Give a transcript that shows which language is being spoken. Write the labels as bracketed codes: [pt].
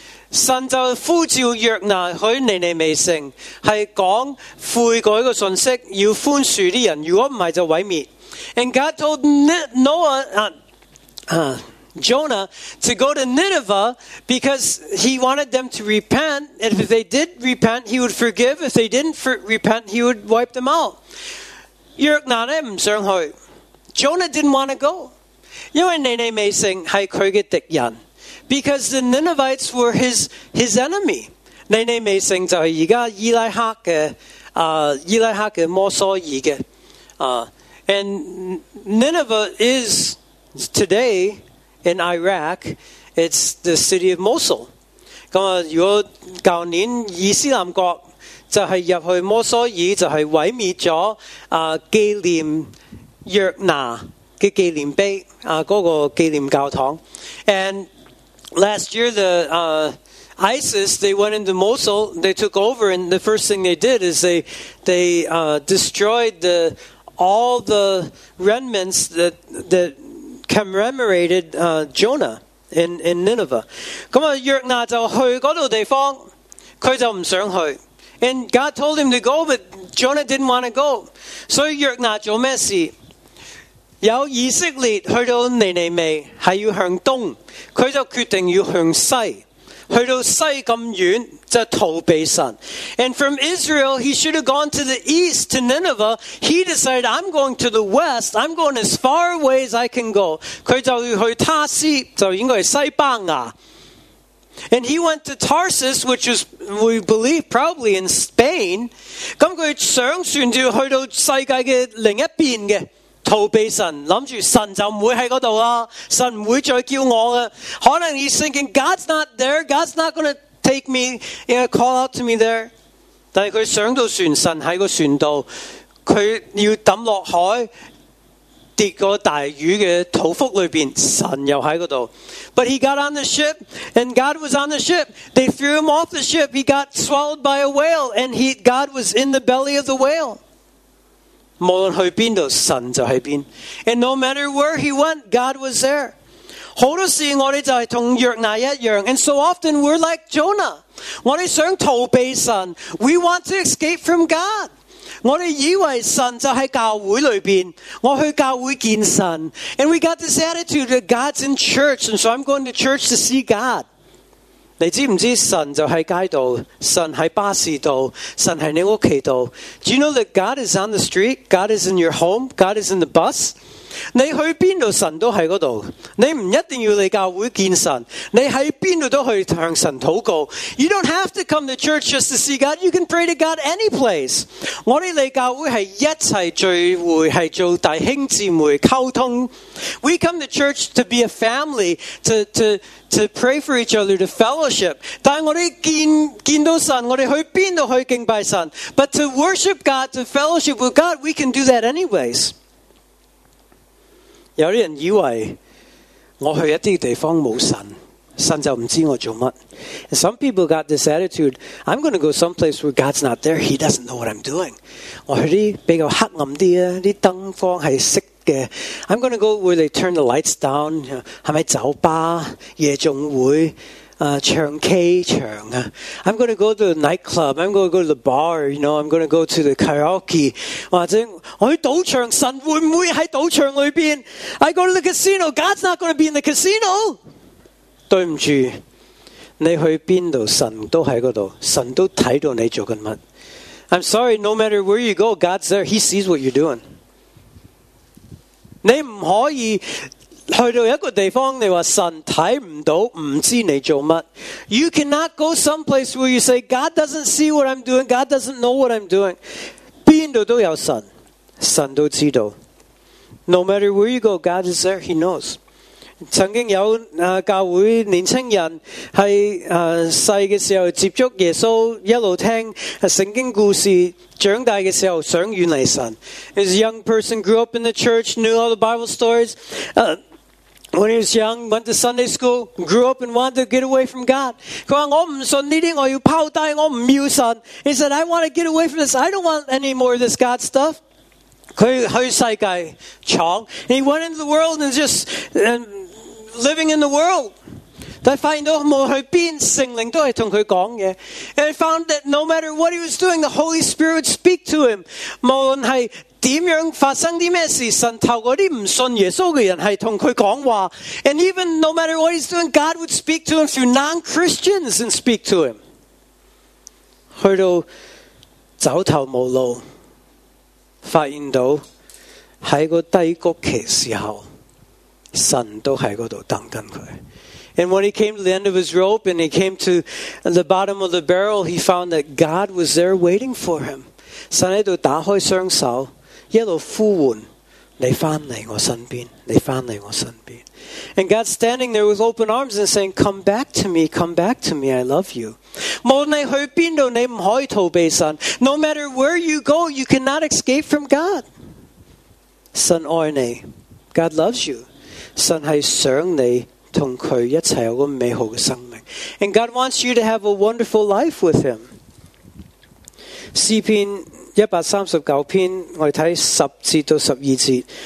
[zh] 神就呼召约拿去尼尼微城，系讲悔改嘅信息，要宽恕啲人，如果唔系就毁灭。 [en] And God told Noah, Jonah to go to Nineveh because he wanted them to repent, and if they did repent, he would forgive. If they didn't repent, he would wipe them out. [zh] 约拿呢唔想去。 [en] Jonah didn't want to go. [zh] 因为尼尼微城系佢嘅敌人。 [en] Because the Ninevites were his enemy. [zh] 尼尼微城就是现在伊拉克的摩梭尔的 [en] And Nineveh is today in Iraq. It's the city of Mosul. [zh] 咁啊，如果旧年伊斯兰国就系入去摩梭尔，就系毁灭咗纪念约拿嘅纪念碑啊，嗰个纪念教堂。 [en] And last year the ISIS, they went into Mosul, they took over, and the first thing they did is they destroyed all the remnants that commemorated Jonah in Nineveh. [zh] 咁啊，約拿就去嗰度地方，佢就唔想去。 [en] And God told him to go, but Jonah didn't want to go. [zh] 所以約拿做咩事？有以色列去到尼尼微，系要向东，佢就决定要向西。去到西咁远就逃避神。 [en] And from Israel, he should have gone to the east, to Nineveh. He decided, I'm going to the west. I'm going as far away as I can go. [zh] 佢就要去他斯，就应该是西班牙。 [en] And he went to Tarsus, which is, we believe, probably in Spain. [zh] 咁佢想算就去到世界嘅另一边嘅。逃避神，谂住神就唔会喺嗰度啦，神唔会再叫我啦。可能 [en] he's thinking God's not there, God's not going to take me, you know, call out to me there。 [zh] 但系佢上到船，神喺个船度，佢要抌落海，跌个大鱼嘅肚腹里边，神又喺嗰度。 [en] But he got on the ship, and God was on the ship. They threw him off the ship. He got swallowed by a whale, and God was in the belly of the whale. [zh] 无论去边度，神就喺边。 [en] And no matter where he went, God was there. [zh] 好多事我哋就系同约拿一样。 [en] And so often we're like Jonah. [zh] 我哋想逃避神。 [en] We want to escape from God. [zh] 我哋以为神就喺教会里边。我去教会见神。 [en] And we got this attitude that God's in church, and so I'm going to church to see God. [zh] 你知唔知神就喺街道，神喺巴士道，神喺你屋企道。 [en] Do you know that God is on the street? God is in your home? God is in the bus? [zh] 你去边度神都喺嗰度。你唔一定要嚟教会见神，你喺边度都去向神祷告。 [en] You don't have to come to church just to see God. You can pray to God any place. [zh] 我哋嚟教会系一齐聚会，系做弟兄姊妹沟通。 [en] We come to church to be a family, to pray for each other, to fellowship. [zh] 但我哋见到神，我哋去边度去敬拜神。 [en] But to worship God, to fellowship with God, we can do that anyways. [zh] 有些人以为我去一些地方没有神，神就不知道我做什么。 [en] Some people got this attitude, I'm going to go someplace where God's not there, He doesn't know what I'm doing. [zh] 我去啲比较黑暗啲啊，啲灯光是熄的。 [en] I'm going to go where they turn the lights down, [zh] 是不是酒吧、夜总会、唱 K 场啊。 [en] I'm going to go to the nightclub, I'm going to go to the bar, you know, I'm going to go to the karaoke, [zh] 或者我去赌场，神会不会在赌场里面？ [en] I go to the casino, God's not going to be in the casino! [zh] 对不住，你去哪里，神都在那里，神都看到你做什么。 [en] I'm sorry, no matter where you go, God's there, He sees what you're doing. [zh] 你不可以去到一个地方，你说神看不到，不知道你做什么。 [en] You cannot go someplace where you say, God doesn't see what I'm doing, God doesn't know what I'm doing. [zh] 边度都有神，神都知道。 [en] No matter where you go, God is there, He knows. [zh] 曾经有教会年轻人在小的时候接触耶稣，一路听圣经故事，长大的时候想远离神。 [en] His young person grew up in the church, knew all the Bible stories. When he was young, went to Sunday school, grew up and wanted to get away from God. [zh] 他说我不信这些，我要抛低，我不要神。 [en] He said, I want to get away from this. I don't want any more of this God stuff. [zh] 他去世界闯， [en] he went into the world and just and living in the world. [zh] 但发现到无论去边，圣灵都系同佢讲嘢。 [en] And he found that no matter what he was doing, the Holy Spirit would speak to him. [zh] 无论系点样发生啲咩事，神透过啲唔信耶稣嘅人系同佢讲话。 [en] And even no matter what he's doing, God would speak to him through non-Christians and speak to him. [zh] 去到走投无路。发现到在低谷期时候，神都在那里等着他。 [en] And when he came to the end of his rope and he came to the bottom of the barrel, he found that God was there waiting for him. [zh] 神在 打开双手, 一路呼唤, 你回来我身边, 你回来我身边。 [en] And God's standing there with open arms and saying, come back to me, come back to me, I love you. [zh] 无论你去哪里,你不可以逃避神, [en] no matter where you go, you cannot escape from God. [zh] 神爱你, [en] God loves you. [zh] 神在想你, [en] and God wants you to have a wonderful life with Him. [zh] 诗篇139篇, 我们看10至12节,